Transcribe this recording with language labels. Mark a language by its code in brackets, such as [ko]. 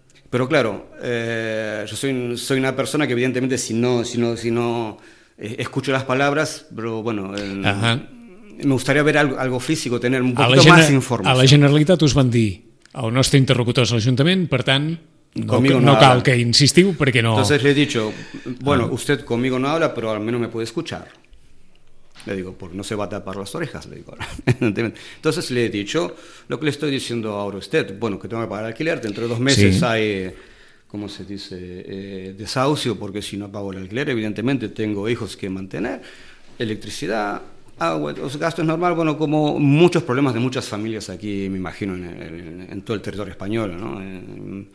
[es] Pero claro, yo soy una persona que evidentemente si no escucho las palabras, pero bueno, me gustaría ver algo físico, tener un poquito más informes. [ca] A la Generalitat us van dir, el nostre interlocutor és l'Ajuntament, per tant, no cal que insistiu perquè no... [es] Entonces le he dicho, bueno, usted conmigo no habla, pero al menos me puede escuchar. Le digo, pues no se va a tapar las orejas, le digo. Entonces le he dicho lo que le estoy diciendo ahora a usted. Bueno, que tengo que pagar alquiler, dentro de dos meses sí. Hay, ¿cómo se dice? Desahucio, porque si no pago el alquiler, evidentemente tengo hijos que mantener, electricidad, agua, los gastos normales, bueno, como muchos problemas de muchas familias aquí, me imagino, en todo el territorio español, ¿no?